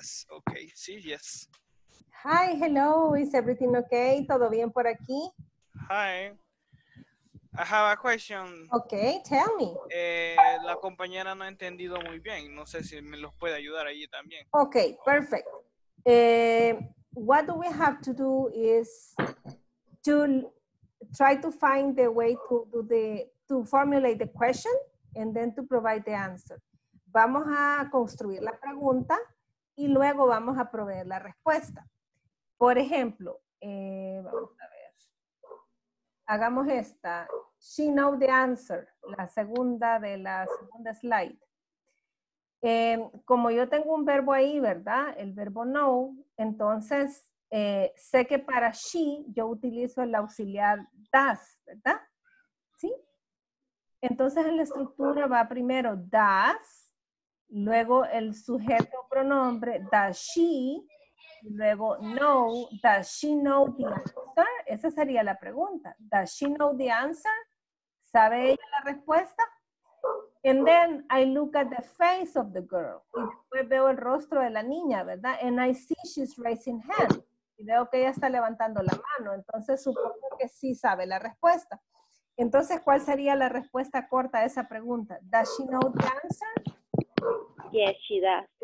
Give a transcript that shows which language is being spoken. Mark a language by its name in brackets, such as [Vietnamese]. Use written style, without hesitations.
[English] okay, sí, yes. Hi, hello, is everything okay? [Spanish] ¿Todo bien por aquí? [English] Hi, I have a question. Okay, tell me. [Spanish] La compañera no ha entendido muy bien, no sé si me los puede ayudar allí también. [English] Okay, perfect. What do we have to do is to try to find the way to do the to formulate the question and then to provide the answer. [Spanish] Vamos a construir la pregunta y luego vamos a proveer la respuesta. Por ejemplo, vamos a ver, hagamos esta, [English] she knows the answer, [Spanish] la segunda de la segunda slide. Como yo tengo un verbo ahí, ¿verdad? El verbo know, entonces sé que para she yo utilizo el auxiliar does, ¿verdad? ¿Sí? Entonces en la estructura va primero does, luego el sujeto pronombre does she, luego, no, [English] does she know the answer? [Spanish] Esa sería la pregunta. [English] Does she know the answer? [Spanish] ¿Sabe ella la respuesta? [English] And then I look at the face of the girl. [Spanish] Y después veo el rostro de la niña, ¿verdad? [English] And I see she's raising hand. [Spanish] Y veo que ella está levantando la mano. Entonces supongo que sí sabe la respuesta. Entonces, ¿cuál sería la respuesta corta a esa pregunta? [English] Does she know the answer? Yes, she does.